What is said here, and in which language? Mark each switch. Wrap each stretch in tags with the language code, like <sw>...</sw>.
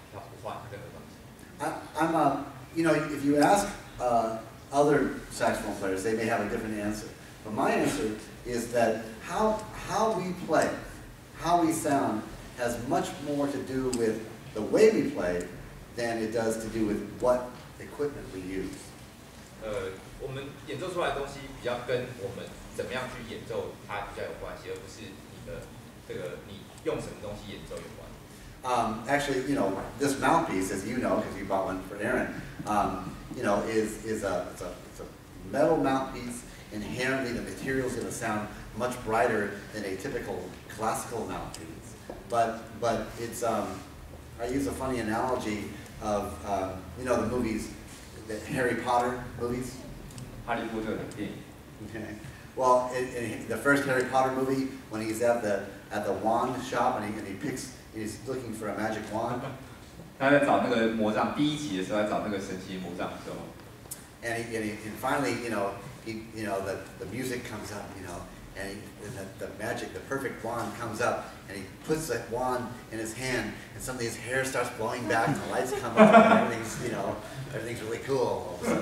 <zh>比较简短的答案是没有，他不换任何东西。</zh> <en>You know, if you ask other saxophone players, they may have a different answer. But my answer is that how we play, how we sound, has much more to do with the way we play than it does to do with what equipment we use.</en> <zh>我们演奏出来的东西比较跟我们怎么样去演奏它比较有关系，而不是你用什么东西演奏有关。</zh> <en>Actually, you know, this mouthpiece, as you know, because you bought one for Aaron, is a metal mouthpiece. Inherently, the material's going to sound much brighter than a typical classical mouthpiece. But I use a funny analogy of the movies. The Harry Potter movies? Harry Potter, yeah. Okay. Well, in the first Harry Potter movie, when he's at the wand shop and he's looking for a magic wand.</en> <zh>他在找那个魔杖，第一集的时候在找那个神奇魔杖的时候。</zh> <en>And finally, the music comes up, you know, and the perfect wand comes up, and he puts that wand in his hand, and suddenly his hair starts blowing back, and the lights come up, and everything's really cool.</en>